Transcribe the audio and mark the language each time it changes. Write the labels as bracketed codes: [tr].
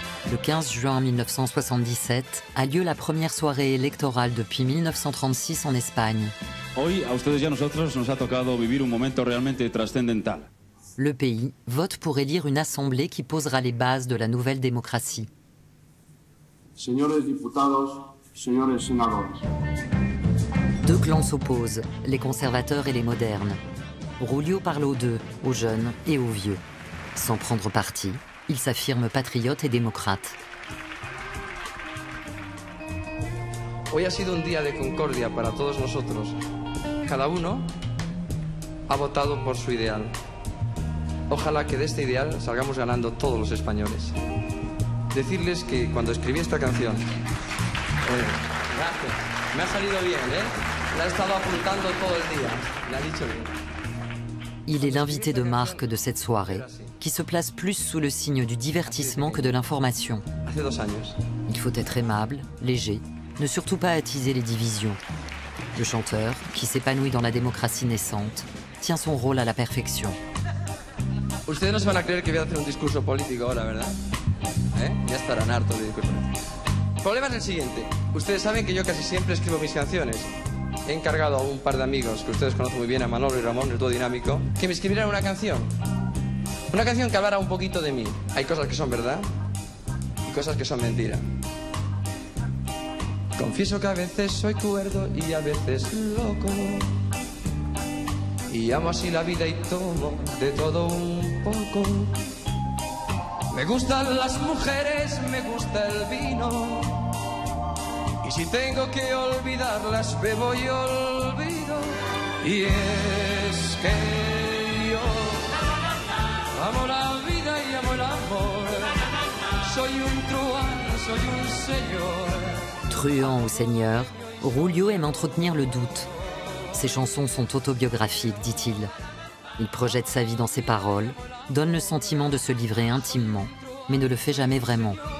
[fr] Le 15 juin 1977 a lieu la première soirée électorale depuis 1936 en Espagne. [es] Hoy a ustedes y a nosotros nos ha tocado vivir un momento realmente trascendental. [fr] Le pays vote pour élire une assemblée qui posera les bases de la nouvelle démocratie. [es] Señores diputados, señores senadores. [fr] Deux clans s'opposent, les conservateurs et les modernes. Rulio parle aux deux, aux jeunes et aux vieux. Sans prendre parti, il s'affirme patriote et démocrate. [es] Hoy ha sido un día de concordia para todos nosotros. Cada uno ha votado por su ideal. Ojalá que de este ideal salgamos ganando todos los españoles. Decirles que cuando escribí esta canción... gracias. Me ha salido bien, ¿eh? La he estado apuntando todo el día. Me ha dicho bien. [fr] Il est l'invité de marque de cette soirée, qui se place plus sous le signe du divertissement que de l'information. Il faut être aimable, léger, ne surtout pas attiser les divisions. Le chanteur, qui s'épanouit dans la démocratie naissante, tient son rôle à la perfection. [es] Ustedes no se van a creer que voy a hacer un discurso político ahora, ¿verdad? ¿Eh? Ya estarán hartos de discurso. El problema es el siguiente. Ustedes saben que yo casi siempre escribo mis canciones. He encargado a un par de amigos que ustedes conocen muy bien, a Manolo y Ramón, el dúo dinámico, que me escribieran una canción. Una canción que hablara un poquito de mí. Hay cosas que son verdad y cosas que son mentira. Confieso que a veces soy cuerdo y a veces loco. Y amo así la vida y tomo de todo un poco. Me gustan las mujeres, me gusta el vino. Y si tengo que olvidarlas, bebo y olvido. Y es que yo amo la vida y amo el amor. Soy un truán, soy un señor. [fr] Truand ou seigneur, Rulio aime entretenir le doute. Ses chansons sont autobiographiques, dit-il. Il projette sa vie dans ses paroles, donne le sentiment de se livrer intimement, mais ne le fait jamais vraiment.